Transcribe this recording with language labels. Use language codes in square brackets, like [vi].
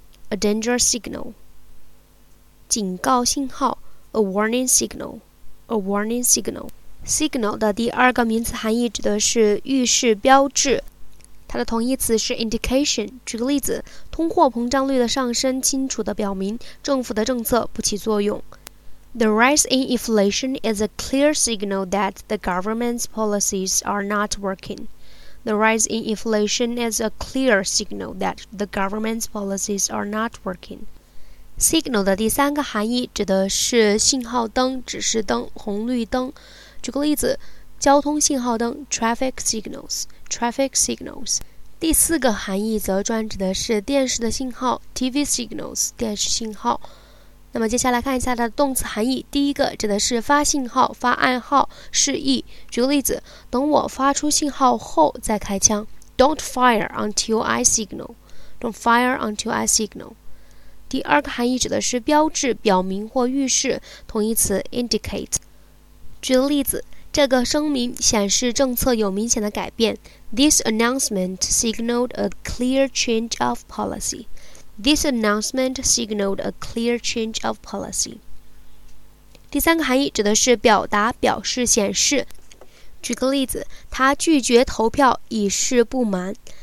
[en] a danger signal。 [zh] 警告信号。 [en] A warning signal, a warning signal. [zh] Signal 的第二个名词含义指的是预示标志，它的同义词是 indication. 举个例子，通货膨胀率的上升清楚地表明政府的政策不起作用。 [en] The rise in inflation is a clear signal that the government's policies are not working. The rise in inflation is a clear signal that the government's policies are not working. [zh] Signal 的第三个含义指的是信号灯、指示灯、红绿灯。举个例子，交通信号灯 [en] traffic signals, traffic signals。 [zh] 第四个含义则专指的是电视的信号 [en] TV signals, [zh] 电视信号。那么接下来看一下它的动词含义。第一个指的是发信号、发暗号、示意。举个例子，等我发出信号后再开枪。 [en] Don't fire until I signal. Don't fire until I signal. [zh] 第二个含义指的是标志、表明或预示，同义词 indicate。举个例子，这个声明显示政策有明显的改变。 [en] This announcement signaled a clear change of policy. This announcement signaled a clear change of policy. [zh] 第三个含义指的是表达、表示、显示。举个例子，他拒绝投票以示不满。